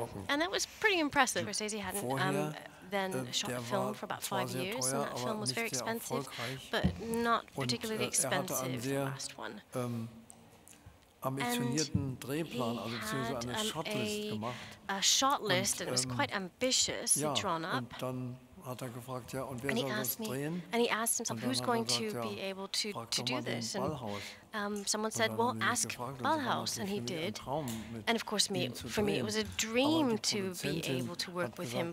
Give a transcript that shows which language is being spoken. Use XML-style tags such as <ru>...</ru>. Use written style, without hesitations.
<en>And that was pretty impressive. Scorsese hadn't then shot a film for about 5 years, and that film was very expensive, but not particularly expensive, the last one.</en> <de>Ambitionierten Drehplan, also beziehungsweise eine Shotlist gemacht.</de> <en>A shot list, and it was quite ambitious, ja, drawn up.</en> <de>Und dann hat gefragt, ja, und wer soll das drehen?</de> <en>And he asked himself, who's going to be able to do this? And someone said, well, ask Ballhaus, and he did. And of course, for me, it was a dream to be able to work with him.</en>